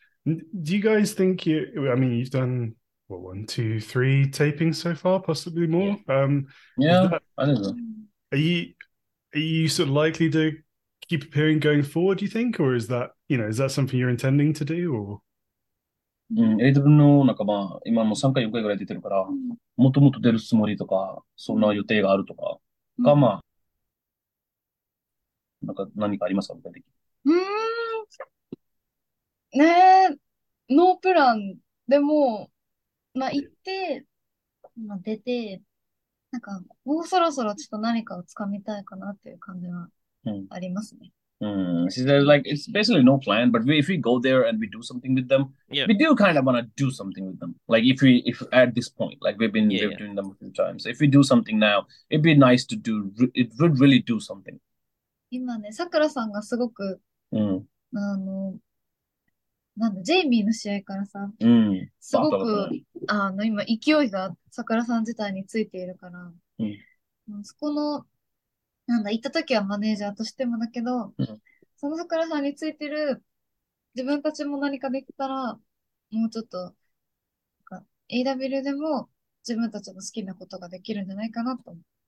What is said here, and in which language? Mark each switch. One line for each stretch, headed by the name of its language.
English: Do you guys think you've done what, 1, 2, 3 tapings so far, possibly more? I don't know. Are you sort of likely to keep appearing going forward, do you think? Or is that, you know, is that something you're intending to do? Or
Japanese: AW の仲間、今も3回4回ぐらい出てるから、もっともっと出るつもりとか、そんな予定があるとか、か、まあ、なんか何かありますか？具体的に。ねえ、ノープラン。でも、まあ行って、まあ出て、なんかもうそろそろちょっと何かをつかみたいかなっていう感じはありますね。
English: She said, like, it's basically no plan, but if we go there and we do something with them, yeah. We do kind of want to do something with them. Like, if at this point, like, we've been doing them a few times. If we do something now, it'd be nice to do, it would really do something.
Japanese: 今ね、さくらさんがすごく、なんだ、ジェイミーの試合からさ、すごく、今、勢いがさくらさん自体についているから、そこの、なんだ、行った時はマネージャーとしてもだけど、その桜さんについてる自分たちも何かできたら、もうちょっと、AW でも自分たちの好きなことができるんじゃないかなと思う。